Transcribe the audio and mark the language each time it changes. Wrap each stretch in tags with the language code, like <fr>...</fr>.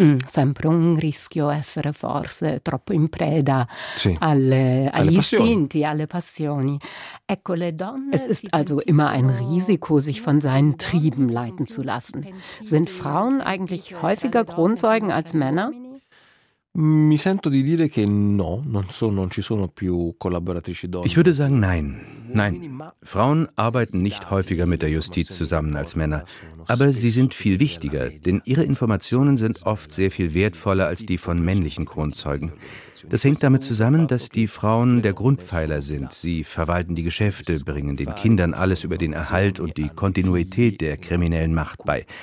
<it>Sempre un rischio essere forse troppo in preda agli istinti, alle passioni. Ecco, le donne.</it> <de>Es ist also immer ein Risiko, sich von seinen Trieben leiten zu lassen. Sind Frauen eigentlich häufiger Kronzeugen als Männer?</de> <it>Mi sento di dire che no, non so, non ci sono più collaboratrici donne.</it> <de>Ich würde sagen, nein. Nein, Frauen arbeiten nicht häufiger mit der Justiz zusammen als Männer. Aber sie sind viel wichtiger, denn ihre Informationen sind oft sehr viel wertvoller als die von männlichen Kronzeugen. Das hängt damit zusammen, dass die Frauen der Grundpfeiler sind. Sie verwalten die Geschäfte, bringen den Kindern alles über den Erhalt und die Kontinuität der kriminellen Macht bei.</de>